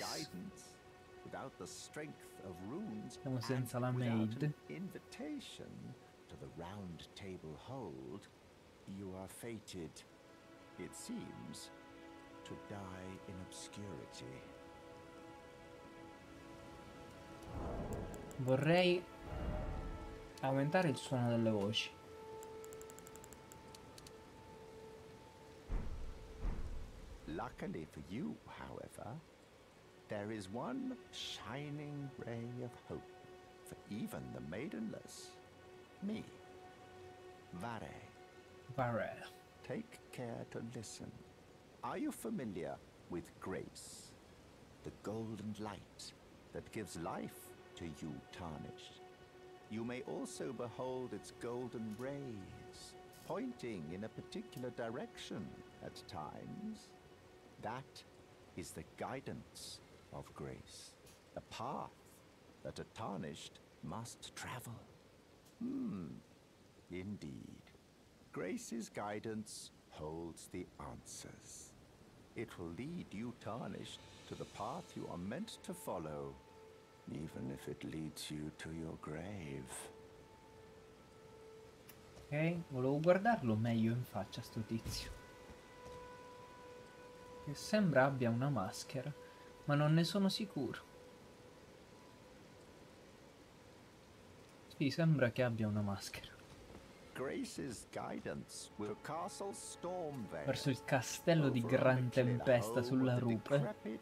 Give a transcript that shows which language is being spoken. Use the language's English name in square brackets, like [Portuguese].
[English] guidance, without the strength of runes, [Italian] Siamo [English] and [Italian] senza la [English] without an maid. invitation to the Round Table Hold, you are fated. It seems to die in obscurity. [Italian] Vorrei aumentare il suono delle voci. [English] Luckily for you, however, there is one shining ray of hope for even the maidenless, me, Vare. Varel. Take care to listen. Are you familiar with grace? The golden light that gives life to you, tarnished. You may also behold its golden rays, pointing in a particular direction at times. That is the guidance of grace, a path that a tarnished must travel. Indeed. Grace's guidance holds the answers. It will lead you, tarnished, to the path you are meant to follow. even if it leads you to your grave. [Italian] Ok, volevo guardarlo meglio in faccia sto tizio, che sembra abbia una maschera, ma non ne sono sicuro. Sì, sembra che abbia una maschera. [English] Grace's guidance with a castle storm there. [Italian] Verso il castello di Gran Tempesta sulla rupe.